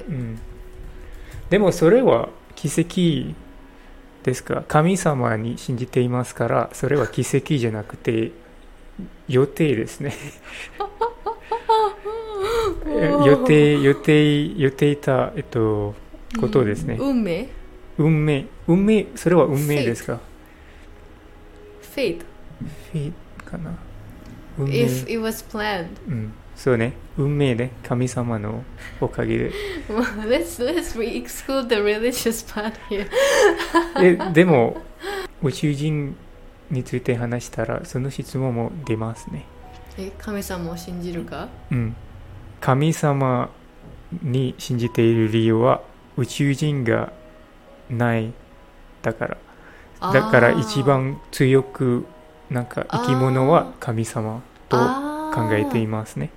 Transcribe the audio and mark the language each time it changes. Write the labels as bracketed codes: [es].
[ja] うん、でもそれは奇跡ですか神様に信じていますからそれは奇跡じゃなくて予定ですね予定たことですね、うん、運命運命運命それは運命ですかフェイトフェイトかな [en] 運命 If it was planned、 [ja] うん、そうね運命で、ね、神様のおかげで、 [en] well, let's re-exclude the religious part here [ja] でも宇宙人について話したらその質問も出ますねえ神様を信じるか、うん、神様に信じている理由は宇宙人がないだから一番強くなんか生き物は神様と考えていますね